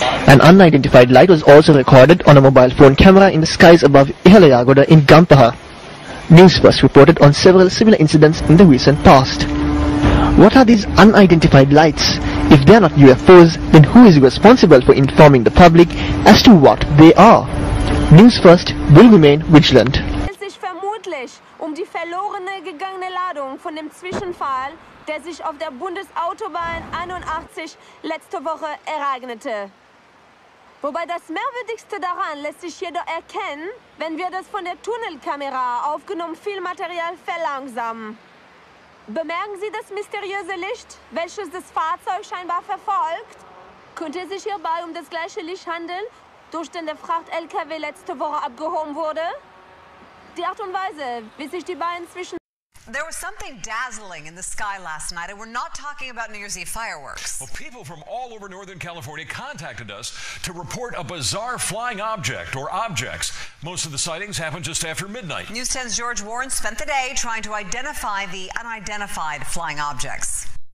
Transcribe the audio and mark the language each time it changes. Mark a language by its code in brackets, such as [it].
[en] An unidentified light was also recorded on a mobile phone camera in the skies above Ihalayagoda in Gampaha. Newsbus reported on several similar incidents in the recent past. What are these unidentified lights? If they are not UFOs, then who is responsible for informing the public as to what they are? News First will remain vigilant. [de] Um die verlorene gegangene Ladung von dem Zwischenfall, der sich auf der Bundesautobahn 81 letzte Woche ereignete. Wobei das Merkwürdigste daran lässt sich jedoch erkennen, wenn wir das von der Tunnelkamera aufgenommen Filmmaterial verlangsamen. Bemerken Sie das mysteriöse Licht, welches das Fahrzeug scheinbar verfolgt? Könnte es sich hierbei um das gleiche Licht handeln, durch den der Fracht-LKW letzte Woche abgehoben wurde? Die Art und Weise, wie sich die beiden zwischen... [en] There was something dazzling in the sky last night, and we're not talking about New Year's Eve fireworks. Well, people from all over Northern California contacted us to report a bizarre flying object or objects. Most of the sightings happened just after midnight. News 10's George Warren spent the day trying to identify the unidentified flying objects.